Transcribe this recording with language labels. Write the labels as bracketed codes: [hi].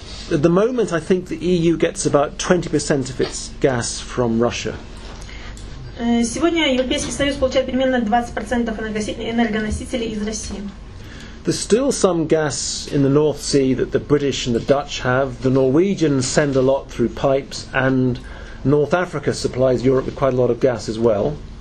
[ru] At the moment, I think the EU gets about 20% of its gas from Russia. Сегодня Европейский Союз получает примерно 20% энергоносителей из России. [en] There's still some gas in the North Sea that the British and the Dutch have. The Norwegians send a lot through pipes, and North Africa supplies Europe with quite a lot of gas as well.